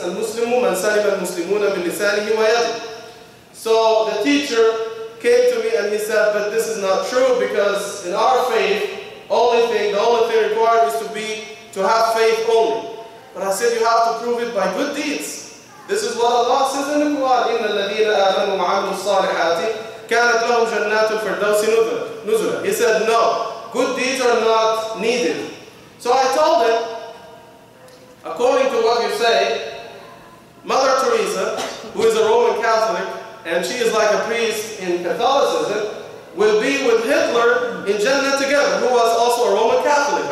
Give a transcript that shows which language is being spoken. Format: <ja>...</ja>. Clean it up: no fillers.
<ar>Al-Muslimu man salim al-Muslimuna min lisanihi wa yadihi.</ar> <en>So the teacher came to me and he said, but this is not true, because in our faith, the only thing required is to have faith only. But I said, you have to prove it by good deeds. This is what Allah says in the Quran,</en> <ar>إِنَّ الَّذِينَ آمَنُوا وَعَمِلُوا الصَّالِحَاتِ كَانَتْ لَهُمْ جَنَّاتُ الْفِرْدَوْسِ نُزُلًا.</ar> <en>He said, no, good deeds are not needed. So I told him, according to what you say, Mother Teresa, who is a Roman Catholic, and she is like a priest in Catholicism, will be with Hitler in Jannah together, who was also a Roman Catholic.</en>